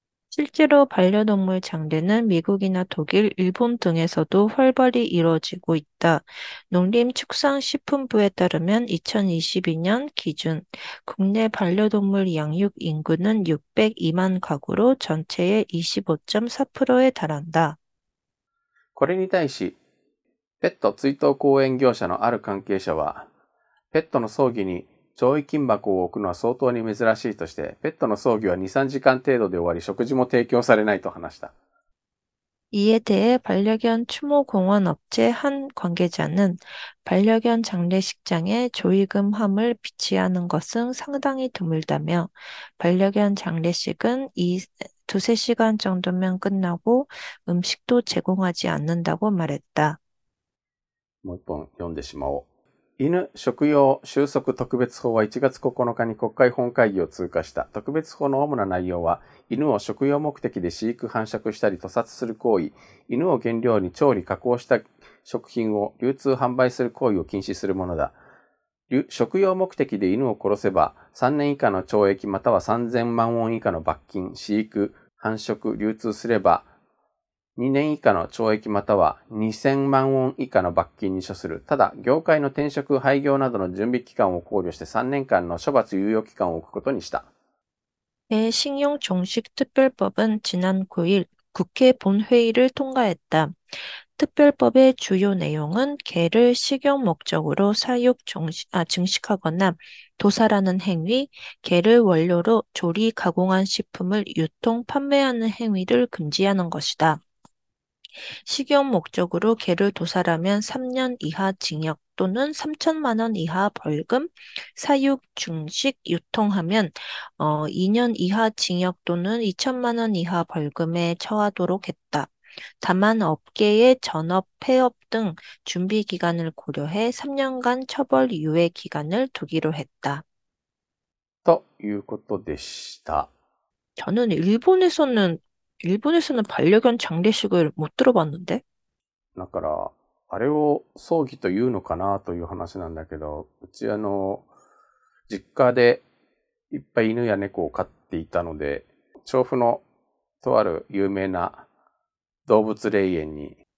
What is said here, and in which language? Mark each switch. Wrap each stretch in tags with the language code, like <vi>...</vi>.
<ko>실제로 반려동물 장례는 미국이나 독일, 일본 등에서도 활발히 이루어지고 있다. 농림축산식품부에 따르면 2022년 기준 국내 반려동물 양육 인구는 602만 가구로 전체의 25.4%에 달한다.</ko> <ja>これに対し、ペット追悼公演業者のある関係者は、ペットの葬儀に弔慰金箱を置くのは相当に珍しいとして、ペットの葬儀は2、3時間程度で終わり、食事も提供されないと話した。</ja> <ko>이에 대해 반려견 추모 공원 업체 한 관계자는 반려견 장례식장에 조의금 함을 비치하는 것은 상당히 드물다며 반려견 장례식은 이 두세 시간 정도면 끝나고 음식도 제공하지 않는다고 말했다.</ko> <ja>もう一本読んでしまおう。犬食用収束特別法は1月9日に国会本会議を通過した。特別法の主な内容は、犬を食用目的で飼育繁殖したり屠殺する行為、犬を原料に調理加工した食品を流通販売する行為を禁止するものだ。食用目的で犬を殺せば、3年以下の懲役または3000万ウォン以下の罰金、飼育、繁殖、流通すれば、2年以下の懲役または2000万ウォン以下の罰金に処する。ただ、業界の転職、廃業などの準備期間を考慮して3年間の処罰猶予期間を置くことにした。</ja> <ko>대식용종식특별법은 지난 9일 국회 본회의를 통과했다. 특별법의 주요 내용은 개를 식용 목적으로 사육, 증식하거나 도살하는 행위, 개를 원료로 조리, 가공한 식품을 유통, 판매하는 행위를 금지하는 것이다. 식용 목적으로 개를 도살하면 3년 이하 징역, 또는 3천만 원 이하 벌금, 사육, 증식, 유통하면 2년 이하 징역 또는 2천만 원 이하 벌금에 처하도록 했다. 다만 업계의 전업, 폐업 등 준비 기간을 고려해 3년간 처벌 유예 기간을 두기로 했다.</ko> <ja>ということでした。</ja> <ko>저는 일본에서는 반려견 장례식을 못 들어봤는데?</ko> <ja>だから、あれを葬儀というのかなという話なんだけど、うち実家でいっぱい犬や猫を飼っていたので、調布のとある有名な動物霊園に、</ja>